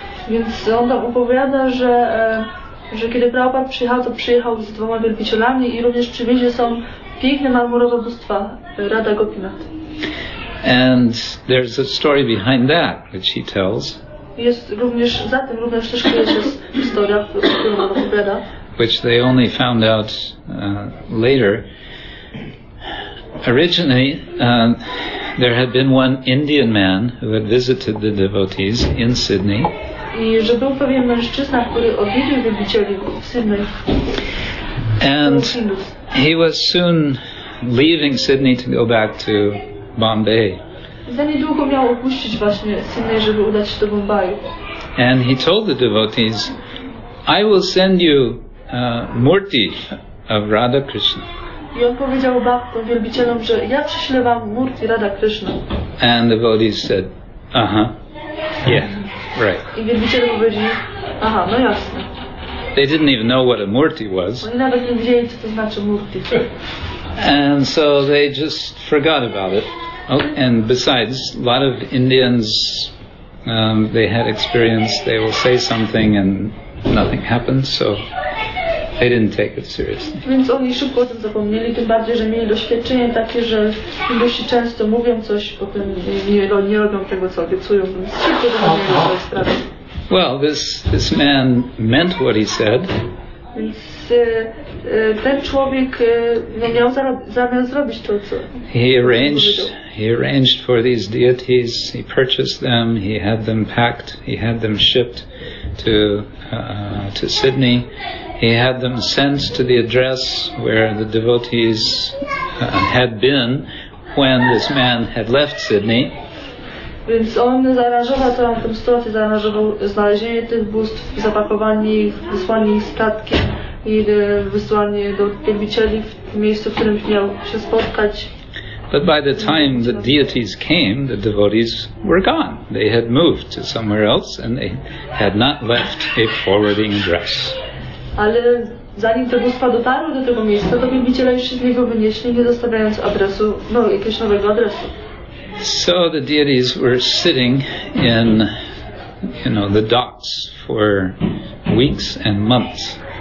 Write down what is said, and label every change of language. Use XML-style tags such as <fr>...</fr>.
<pl>Więc on tam opowiada, że kiedy Prabhupada przyjechał, to przyjechał z dwoma wielbicielami i również przywiezie są piękne marmurowe bóstwa Radha Gopinath.</pl> <en>And there's a story behind that, which he tells.</en> <pl>Jest również za tym również też kryje się historia, którą on opowiada.</pl> <en>Which they only found out later. Originally, there had been one Indian man who had visited the devotees in Sydney.</en> <pl>I że był pewien mężczyzna, który odwiedził wielbicieli w Sydney.</pl> <en>And he was soon leaving Sydney to go back to Bombay.</en> <pl>Za niedługo miał opuścić właśnie Sydney, żeby udać się do Bombaju.</pl> <en>And he told the devotees, I will send you a murti of Radha Krishna.</en> <pl>I on powiedział bhaktom, wielbicielom, że ja przyślę wam murti Radha Krishna.</pl> <en>And the devotees said, uh-huh, yeah. Right.</en> <pl>I wielbiciele powiedzieli, aha, no jasne.</pl> <en>They didn't even know what a murti was.</en> <pl>Oni nawet nie wiedzieli, co to znaczy murti.</pl> <en>And so they just forgot about it. Oh, and besides, a lot of Indians, they had experience, they will say something and nothing happens, so they didn't take it seriously.</en> <pl>Więc oni szybko o tym zapomnieli, tym bardziej, że mieli doświadczenie takie, że Indusi często mówią coś, potem nie robią tego, co obiecują, więc szybko zapomnieli o tej sprawie.</pl> <en>Well, this man meant what he said.</en> <pl>Więc ten człowiek miał zamiar zrobić to, co...</pl> <en>He arranged for these deities, he purchased them, he had them packed, he had them shipped to Sydney. He had them sent to the address where the devotees had been when this man had left Sydney.</en> <pl>Więc on zaaranżował całą tę sytuację, zaaranżował znalezienie tych bóstw, zapakowanie ich, wysłanie ich statkiem i wysłanie do wielbicieli w miejscu, w którym miał się spotkać.</pl> <en>But by the time the deities came, the devotees were gone. They had moved to somewhere else and they had not left a forwarding address.</en> <pl>Ale zanim te bóstwa dotarły do tego miejsca, to wielbiciele już się z niego wynieśli, nie zostawiając adresu, no jakiegoś nowego adresu.</pl> <en>So the deities were sitting in, you know, the docks for weeks and months.</en>